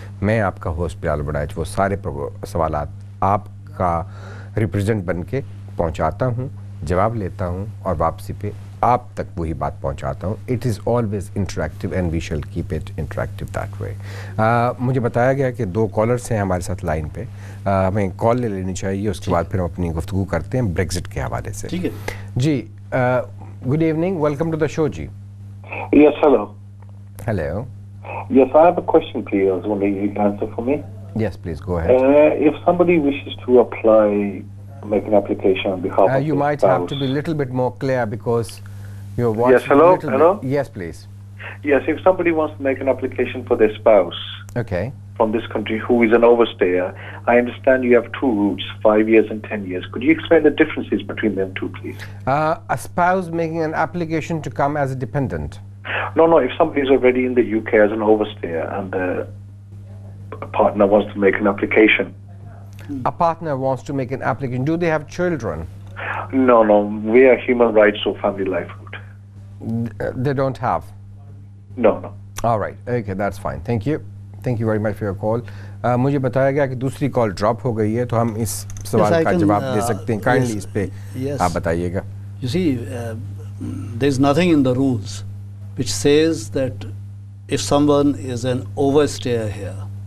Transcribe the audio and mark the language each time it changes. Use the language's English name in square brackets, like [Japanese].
[Urdu] میں آپ کا ہوسٹ بلال وڑائچ وہ سارے سوالات آپ کا ریپرزینٹ بن کے پہنچاتا ہوں، جواب لیتا ہوں اور واپسی پہ آپ تک وہی بات پہنچاتا ہوں. [English] It is always interactive and we shall keep it interactive that way. [Urdu] مجھے بتایا گیا کہ 2 کالرس ہیں ہمارے ساتھ لائن پہ، ہمیں کال لے لینی چاہیے، اس کے بعد پھر ہم اپنی گفتگو کرتے ہیں بریگزٹ کے حوالے سے. ٹھیک ہے [English] جی، good evening, welcome to the show جی. Yes hello. Hello yes, I have a question please, wonder you can answer for me. Yes please go ahead. If somebody wishes to apply make an application on behalf of you might spouse. Have to be a little bit more clear because your voice. Yes, hello, hello? Yes, please. Yes, if somebody wants to make an application for their spouse, okay, from this country who is an overstayer, I understand you have 2 routes, 5 years and 10 years. Could you explain the differences between them two, please? A spouse making an application to come as a dependent. No, if somebody is already in the UK as an overstayer and the partner wants to make an application. A partner wants to make an application. Do they have children? No. We are human rights or family life group. They don't have? No. All right. Okay, that's fine. Thank you. Thank you very much for your call. [Urdu] مجھے بتایا گیا کہ دوسری کال drop ہو گئی ہے، تو ہم اس سوال کا جواب دے سکتے ہیں. Kindly اس پہ آپ بتائیے گا. [English] You see, there's nothing in the rules which says that if someone is an overstayer here,